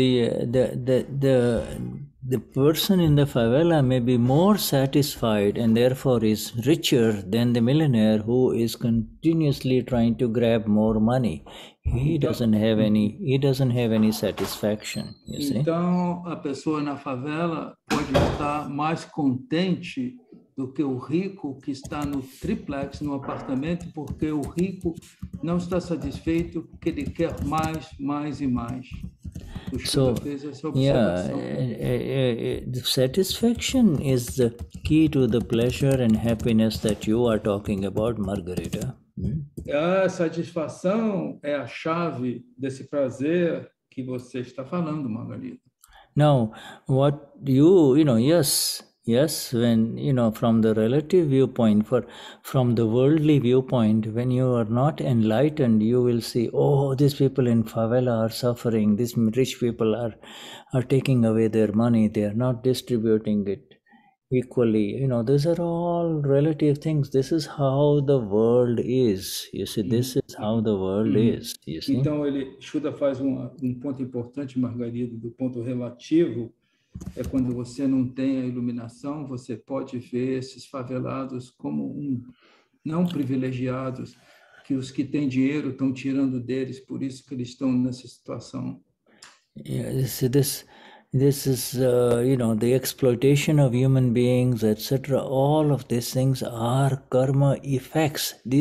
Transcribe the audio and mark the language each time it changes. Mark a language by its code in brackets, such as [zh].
[en] The person in the favela may be more satisfied and therefore is richer than the millionaire who is continuously trying to grab more money. He doesn't have any satisfaction, you see. [pt] Então a pessoa na favela pode estar mais contente do que o rico que está no triplex, no apartamento, porque o rico não está satisfeito, porque ele quer mais, mais e mais. [en] So, yeah, satisfaction is the key to the pleasure and happiness that you are talking about, Margarita. [pt] A satisfação é a chave desse prazer que você está falando, Margarita. [en] Now, what you know, yes, when, you know, from the relative viewpoint, from the worldly viewpoint, when you are not enlightened, you will see, oh, these people in favela are suffering, these rich people are taking away their money, they are not distributing it equally. You know, these are all relative things. This is how the world is. You see, this is how the world is. You see? [pt] Então, ele, Shuddha faz um ponto importante, Margarida, do ponto relativo. É quando você não tem a iluminação, você pode ver esses favelados como não privilegiados, que os que têm dinheiro estão tirando deles, por isso que eles estão nessa situação. [en] Yeah, see, this is, you know, the exploitation of human beings, etc. All of these things are karma effects.